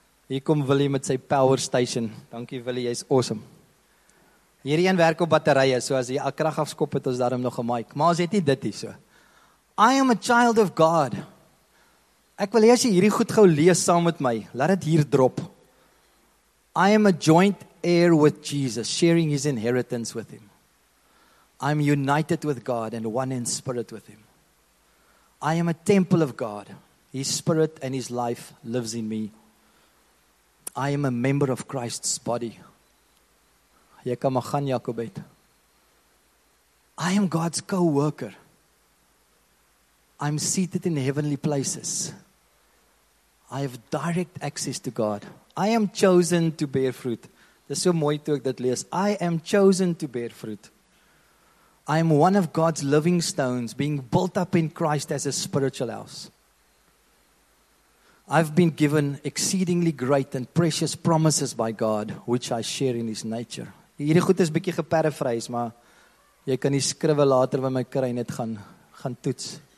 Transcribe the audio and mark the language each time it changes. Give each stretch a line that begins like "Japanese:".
Afrikaans: Hier kom Willie met sy power station. Dankie Willie, jy's awesome. Hierdie een werk op batterye, so as jy al krag afskop het, ons daarom nog 'n mic. Maar as het nie dit hier so.
English: I am a child of God.
Afrikaans: Ek wil hê as jy hierdie goed gou lees saam met my, laat dit hier drop.
English: I am a joint heir with Jesus, sharing his inheritance with him. I'm united with God and one in spirit with him. I am a temple of God. His spirit and his life lives in me. I am a member of Christ's body.
Afrikaans: Jy kan maar gaan,
English: Jacobet. I am God's co-worker. I'm seated in heavenly places. I have direct access to God. I am chosen to bear fruit.
Afrikaans: Dit is so mooi toe ek dit lees.
English: I am chosen to bear fruit. I am one of God's living stones being built up in Christ as a spiritual house. I've been given exceedingly great and precious promises by God, which I share in his nature.
Afrikaans: Hierdie goed is bietjie geparafrase, maar jy kan die skrywe later by my kry en dit gaan toets.